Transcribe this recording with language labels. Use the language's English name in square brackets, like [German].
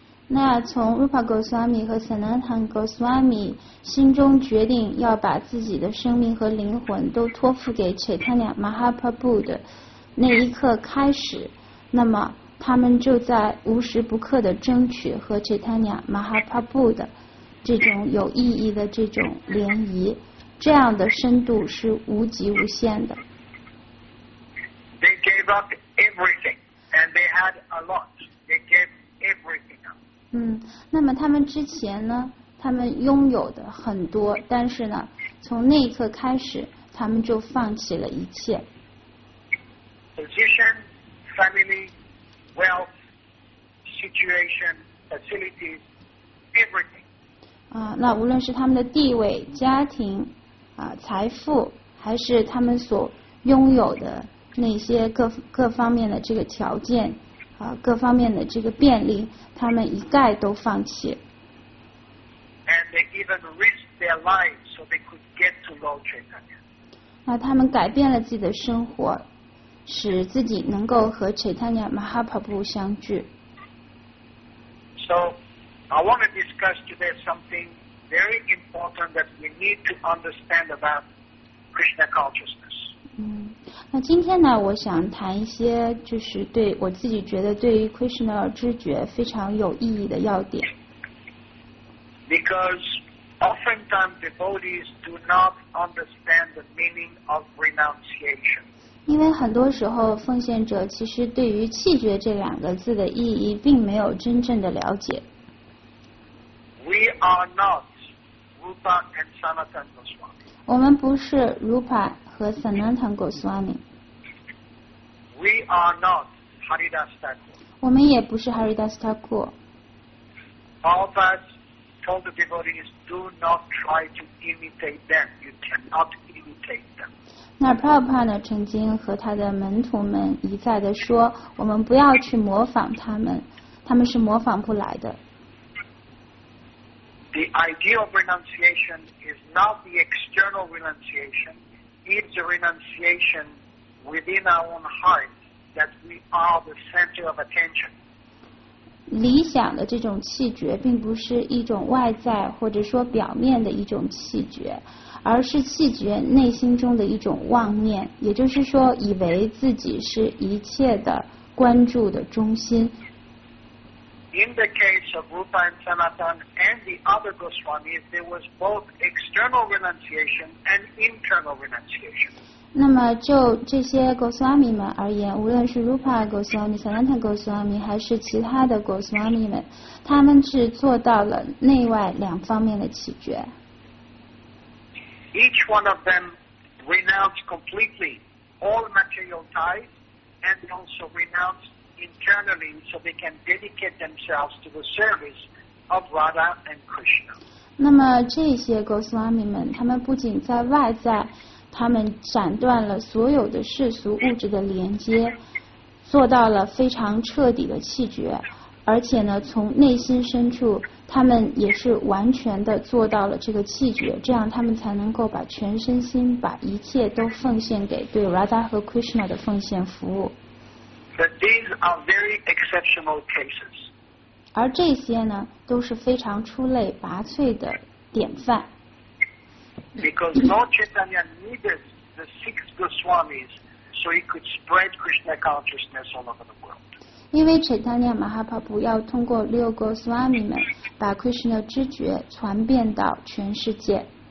[Chinese] 那从 Rupa Goswami 和 Sanatan Goswami 心中决定要把自己的生命和灵魂都托付给 Chaitanya Mahaprabhu 的那一刻开始，那么他们就在无时不刻的争取和 Chaitanya Mahaprabhu 的这种有意义的这种联谊，这样的深度是无极无限的。 [English] They gave up everything, and they had a lot. They gave everything up. [Chinese] 那么他们之前呢，他们拥有的很多，但是呢，从那一刻开始，他们就放弃了一切。 [English] Position, family, wealth, situation, facilities, everything. [Chinese] 那无论是他们的地位、家庭、财富，还是他们所拥有的那些各方面的这个条件，各方面的这个便利，他们一概都放弃。 [English] And they even risked their lives so they could get to Lord Chaitanya. [Chinese] 那他们改变了自己的生活，使自己能够和 Chaitanya Mahaprabhu 相聚。 [English] So I want to discuss today something very important that we need to understand about Krishna consciousness. [Chinese] 那今天呢，我想谈一些就是对我自己觉得对于 Krishna 知觉非常有意义的要点。 [English] Because oftentimes devotees do not understand the meaning of renunciation. [Chinese] 因为很多时候奉献者其实对于弃绝这两个字的意义并没有真正的了解。 [English] We are not Rupa and Sanatan Goswami. [Chinese] 我们不是 Rupa和 Sanatan Goswami. [English] We are not Haridas Thakur. [Chinese] 我们也不是 Haridas Thakur. [English] Prabhupada told the devotees, do not try to imitate them. You cannot imitate them. [Chinese] 那 Prabhupada 曾经和他的门徒们一再地说，我们不要去模仿他们，他们是模仿不来的。 [English] The idea of renunciation is not the external renunciation. It's a renunciation within our own heart that we are the center of attention. [Chinese] 理想的这种气绝并不是一种外在或者说表面的一种气绝，而是气绝内心中的一种妄念，也就是说以为自己是一切的关注的中心。 [English] In the case of Rupa and Sanatan and the other Goswamis, there was both external renunciation and internal renunciation. [Chinese] 那么就这些 Goswami 们而言，无论是 Rupa Goswami、Sanatan Goswami 还是其他的 Goswami 们，他们是做到了内外两方面的起觉。 [English] Each one of them renounced completely all material ties and also renounced. Internally, so they can dedicate themselves to the service of Radha and Krishna. [Chinese] 那么这些 Goswami 们，他们不仅在外在，他们斩断了所有的世俗物质的连接，做到了非常彻底的弃绝，而且呢，从内心深处，他们也是完全的做到了这个弃绝，这样他们才能够把全身心，把一切都奉献给对 Radha 和 Krishna 的奉献服务。 [English] But these are very exceptional cases. [Chinese] 而这些呢，都是非常出类拔萃的典范。 [English] Because Lord Chaitanya needed the six Goswamis so he could spread Krishna consciousness all over the world. [Chinese] 因为 Chaitanya Mahaprabhu 要通过六 Goswami 们把 Krishna 知觉传遍到全世界。